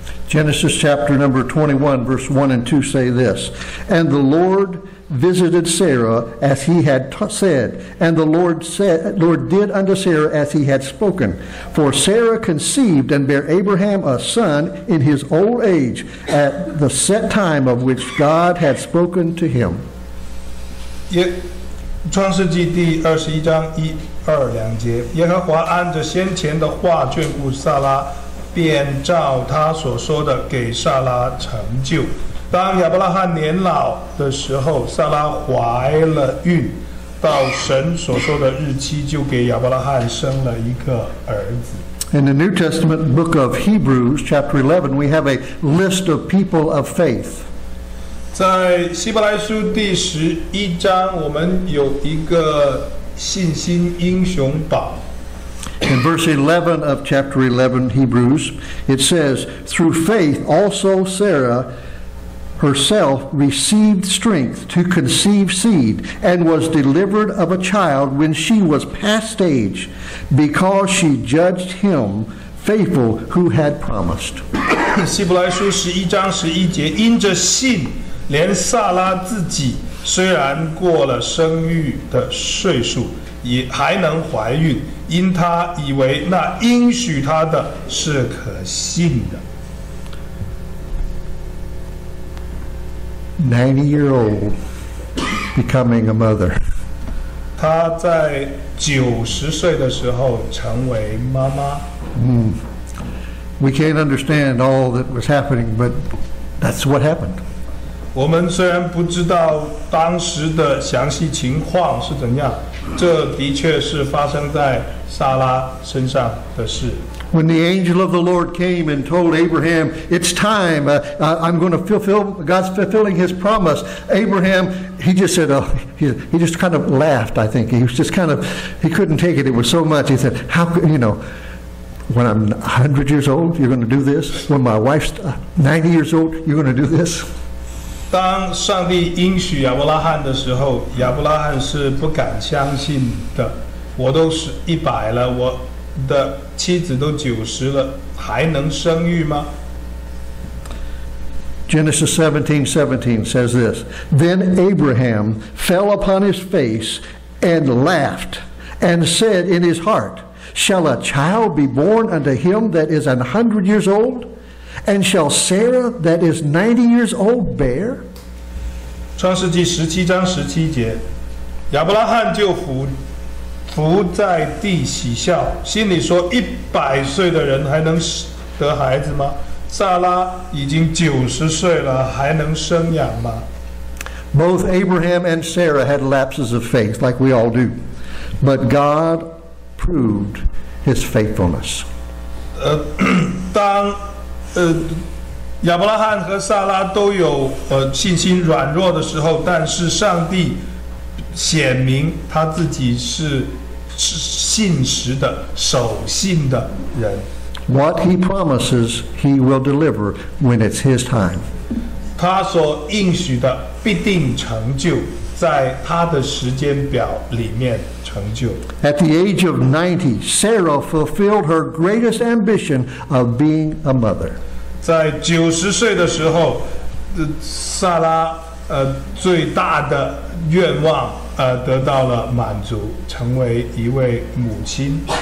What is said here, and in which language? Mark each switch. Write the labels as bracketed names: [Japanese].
[English] Genesis chapter number 21, verse 1 and 2 say this, And the Lord visited Sarah as he had said, and the Lord said, Lord did unto Sarah as he had spoken. For Sarah conceived and bare Abraham a son in his old age at the set time of which God had spoken to him. [Chinese] 创世纪第二十一章一二两节，耶和华按着先前的话眷顾撒拉，便照他所说的给撒拉成就。当亚伯拉罕年老的时候，撒拉怀了孕，到神所说的日期，就给亚伯拉罕生了一个儿子。 [English] In the New Testament book of Hebrews, chapter 11, we have a list of people of faith. [Chinese] 在希伯来书第十一章，我们有一个信心英雄榜。 [English] In verse 11 of chapter 11, Hebrews, it says, Through faith also Sarah herself received strength to conceive seed and was delivered of a child when she was past age because she judged him faithful who had promised. [Chinese] 希伯来书十一章十一节，因着信，连撒拉自己虽然过了生育的岁数，也还能怀孕，因她以为那应许她的是可信的。 [English] 90-year-old becoming a mother. [Chinese] 她在90岁的时候成为妈妈。 [English] We can't understand all that was happening, but that's what happened. [Chinese] 我们虽然不知道当时的详细情况是怎样，这的确是发生在撒拉身上的事。 [English] When the angel of the Lord came and told Abraham, It's time, I'm going to fulfill, God's fulfilling his promise. Abraham, he just said, he just kind of laughed, I think. He was just kind of, he couldn't take it. It was so much. He said, when I'm 100 years old, you're going to do this? When my wife's 90 years old, you're going to do this? [Chinese] 当上帝应许亚伯拉罕的时候，亚伯拉罕是不敢相信的。我都是一百了，我的妻子都九十了，还能生育吗？ [English] Genesis 17:17 says this, Then Abraham fell upon his face and laughed and said in his heart, Shall a child be born unto him that is 100 years old? And shall Sarah that is 90 years old bear? [Chinese] 创世纪十七章十七节，亚伯拉罕就伏在地喜笑，心里说：一百岁的人还能得孩子吗？撒拉已经九十岁了，还能生养吗？ [English] Both Abraham and Sarah had lapses of faith, like we all do, but God proved His faithfulness. [Chinese] 当亚伯拉罕和撒拉都有信心软弱的时候，但是上帝显明他自己是信实的、守信的人。 [English] What he promises, he will deliver when it's his time. [Chinese] 他所应许的必定成就，在他的时间表里面。 [English] At the age of 90, Sarah fulfilled her greatest ambition of being a mother. [Chinese] 在九十岁的时候，撒拉最大的愿望得到了满足，成为一位母亲。